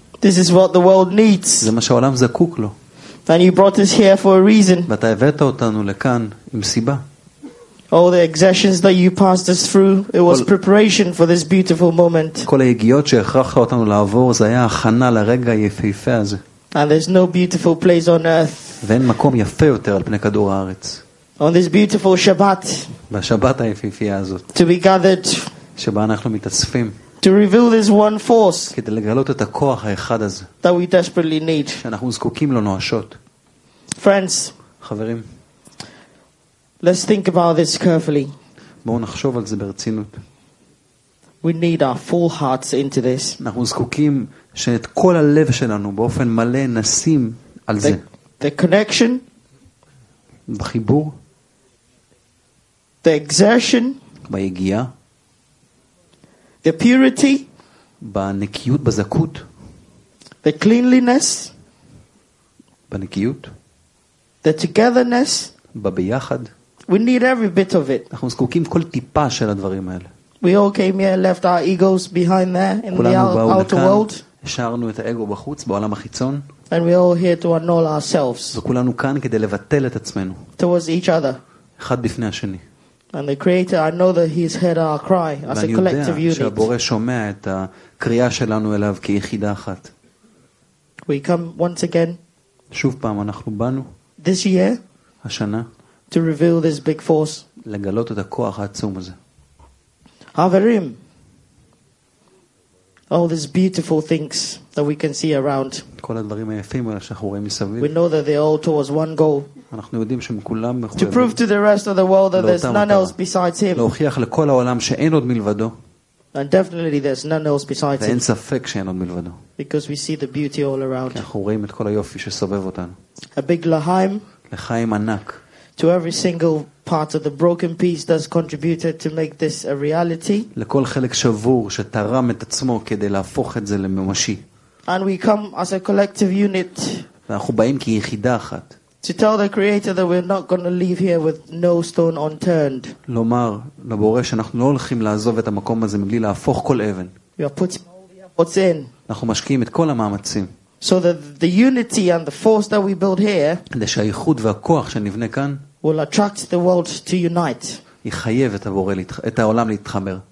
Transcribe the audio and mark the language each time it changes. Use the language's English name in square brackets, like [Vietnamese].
[English] This is what the world needs. [Hebrew] זה מה שהעולם זקוק לו. [English] And you brought us here for a reason. [Hebrew] ואתה הבאת אותנו לכאן עם סיבה. [English] All the exertions that you passed us through, it was preparation for this beautiful moment. [Hebrew] כל ההגיעות שהכרחת אותנו לעבור, זה היה הכנה לרגע היפהפה הזה. [English] And there's no beautiful place on earth. [Hebrew] ואין מקום יפה יותר על פני כדור הארץ. [English] On this beautiful Shabbat. [Hebrew] בשבת היפהפייה הזאת. [English] To be gathered. [Hebrew] שבה אנחנו מתאספים. [English] To reveal this one force. [Hebrew] כדי לגלות את הכוח האחד הזה. [English] That we desperately need. [Hebrew] שאנחנו זקוקים לו נואשות. [English] Friends. [Hebrew] חברים. [English] Let's think about this carefully. [Hebrew] בואו נחשוב על זה ברצינות. [English] We need our full hearts into this. [Hebrew] אנחנו זקוקים שאת כל הלב שלנו באופן מלא נשים על זה. [English] The connection. [Hebrew] בחיבור. [English] The exertion. [Hebrew] ביגיעה. [English] The purity. [Hebrew] בנקיות, בזכות. [English] The cleanliness. [Hebrew] בנקיות. [English] The togetherness. [Hebrew] בביחד. [English] We need every bit of it. [Hebrew] אנחנו זקוקים כל טיפה של הדברים האלה. [English] We all came here, left our egos behind there in the outer world. [Hebrew] השארנו את האגו בחוץ, בעולם החיצון. [English] and we're all here to annul ourselves. [Hebrew] וכולנו כאן כדי לבטל את עצמנו. [English] Towards each other. [Hebrew] אחד בפני השני. [English] And the creator, I know that he's heard our cry as a collective unit. [Hebrew] ואני יודע שהבורא שומע את הקריאה שלנו אליו כיחידה אחת. [English] We come once again. [Hebrew] שוב פעם אנחנו באנו. [English] This year. [Hebrew] השנה. [English] To reveal this big force. [Hebrew] לגלות את הכוח העצום הזה. חברים. [English] All these beautiful things that we can see around. [Hebrew] כל הדברים היפים האלה שאנחנו רואים מסביב. [English] We know that they all towards one goal. [Hebrew] אנחנו יודעים שהם כולם מכוונים. [English] To prove to the rest of the world that there's none else besides him. [Hebrew] להוכיח לכל העולם שאין עוד מלבדו. [English] And definitely there's none else besides him. [Hebrew] ואין ספק שאין עוד מלבדו. [English] Because we see the beauty all around. [Hebrew] אנחנו רואים את כל היופי שסובב אותנו. [English] A big lahaim. [Hebrew] לחיים ענק. [English] To every single part of the broken piece that's contributed to make this a reality. [Hebrew] לכל חלק שבור שתרם את עצמו כדי להפוך את זה לממשי. [English] And we come as a collective unit. [Hebrew] ואנחנו באים כיחידה אחת. [English] To tell the creator that we're not going to leave here with no stone unturned. [Hebrew] לומר לבורא שאנחנו לא הולכים לעזוב את המקום הזה מבלי להפוך כל אבן. [English] We are putting all the efforts in. [Hebrew] אנחנו משקיעים את כל המאמצים. [English] So that the unity and the force that we build here, [Hebrew] כדי שהייחוד והכוח שנבנה כאן, [English] will attract the world to unite. [Hebrew] יחייב את הבורא את העולם להתחבר.